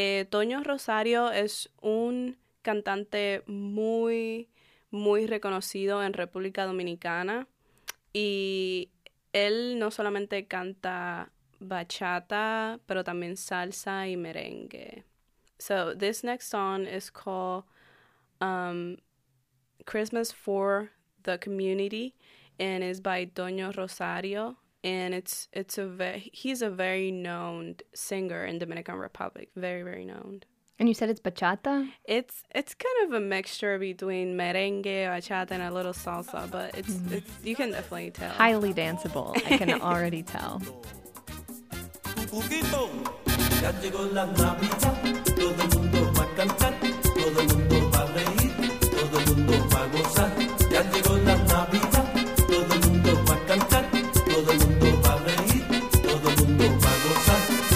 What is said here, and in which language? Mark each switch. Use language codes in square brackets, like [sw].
[es] Toño Rosario es un cantante muy, muy reconocido en República Dominicana. Y él no solamente canta bachata, pero también salsa y merengue. [en] So this next song is called Christmas for the Community, and is by Toño Rosario, and he's a very known singer in Dominican Republic, very, very known. And you said it's bachata? It's kind of a mixture between merengue, bachata, and a little salsa, but it's you can definitely tell. Highly danceable, I can already tell. [es] Juguito, ya llegó la Navidad, todo el mundo va a cantar, todo el mundo va a reír, todo el mundo va a gozar, ya llegó la Navidad, todo el mundo va a cantar, todo el mundo va a reír, todo el mundo va a gozar.